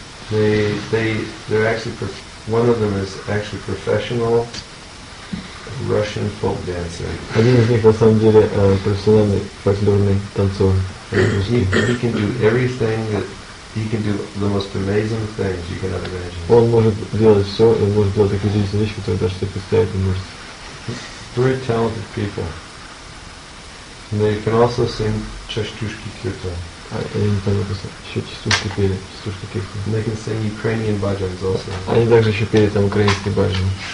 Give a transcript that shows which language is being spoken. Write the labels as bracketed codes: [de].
[en] They're actually one of them is actually professional Russian folk dancer. [ru] Один из них на самом деле профессиональный фольклорный танцор. [en] He can do everything that he can do the most amazing things you can imagine. [ru] Он может делать все, он может делать такие удивительные вещи, которые даже себе представить не может. [en] Very talented people. And they can also sing Chashtushki Kirtan. And they can sing Ukrainian bhajans also. [ru] Они также еще пели там украинские бхаджаны.